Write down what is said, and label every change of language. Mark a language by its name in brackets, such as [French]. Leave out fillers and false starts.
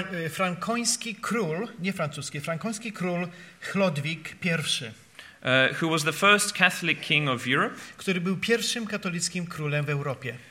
[Polish] Frankoński król, nie francuski, frankoński król Chlodwik I. [English] Who was the first Catholic king of Europe? [Polish] Który był pierwszym katolickim królem w Europie.